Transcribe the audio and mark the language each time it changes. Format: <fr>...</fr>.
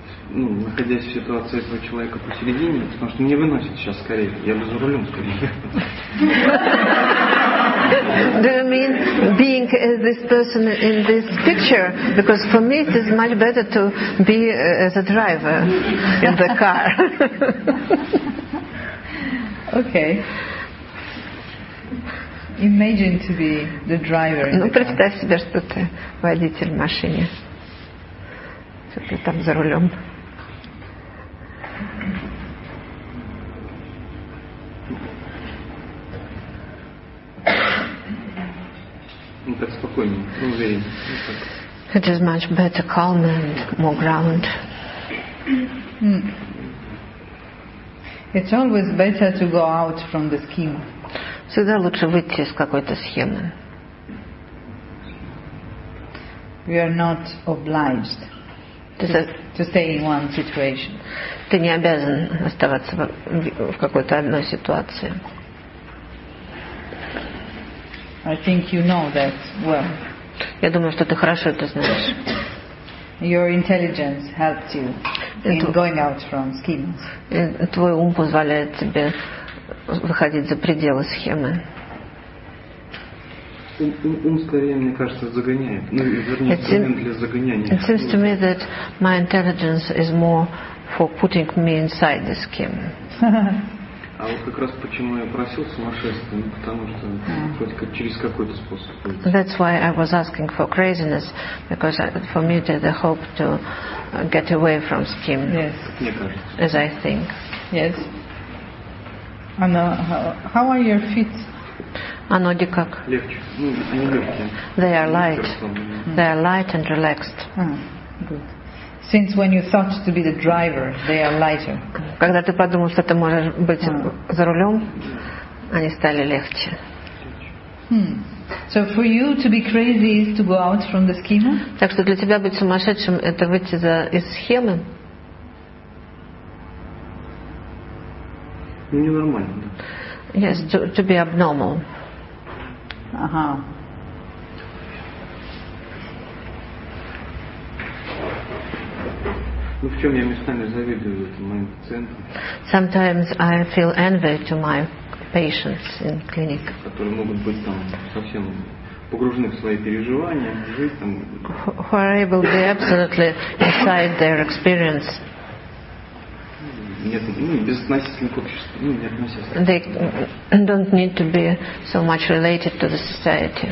<ru>Находясь в ситуации этого человека посередине, потому что мне выносит сейчас скорее, я бы за рулем скорее.</ru> <en>Do you mean being this person in this picture? Because for me it is much better to be as a driver in the car. Okay. Imagine to be the driver.</en> <ru>Ну представь себе, что ты водитель в машине. Ты там за рулем. Ну так спокойнее, увереннее.</ru> <en>It is much better, calmer and more ground. It's always better to go out from the scheme.</en> <ru>Всегда лучше выйти из какой-то схемы.</ru> <en>We are not obliged. To stay in one situation.</en> <ru>Ты не обязан оставаться в какой-то одной ситуации.</ru> <en>I think you know that well.</en> <ru>Я думаю, что ты хорошо это знаешь.</ru> <en>Your intelligence helps you in going out from schemes.</en> <ru>Твой ум позволяет тебе выходить за пределы схемы. Ум скорее, мне кажется, загоняет. Ну, вернее, инструмент для загоняния.</ru> <en>It seems to me that my intelligence is more for putting me inside the scheme.</en> <ru>А вот как раз почему я просил сумасшествия, ну, потому что хоть как через какой-то способ.</ru> <en>That's why I was asking for craziness, because for me it is the hope to get away from scheme. Yes.</en> <ru>Мне кажется.</ru> <en>As I think. Yes. And how are your feet?</en> <ru>А ноги как? Легче. Ну, они легкие.</ru> <en>They are light. They are light and relaxed. Good. Since when you thought to be the driver, they are lighter.</en> <ru>Когда ты подумал, что ты можешь быть за рулем, они стали легче.</ru> <en>So for you to be crazy is to go out from the schema?</en> <ru>Так что для тебя быть сумасшедшим – это выйти за из схемы? Ну, ненормально.</ru> <en>Yes, to be abnormal.</en> <ru>Ну в чем я местами завидую моим пациентам?</ru> <en>Sometimes I feel envy to my patients in clinic,</en> <ru>которые могут быть там совсем погружены в свои переживания, жить там,</ru> <en>who are able to be absolutely inside their experience. They don't need to be so much related to the society.</en>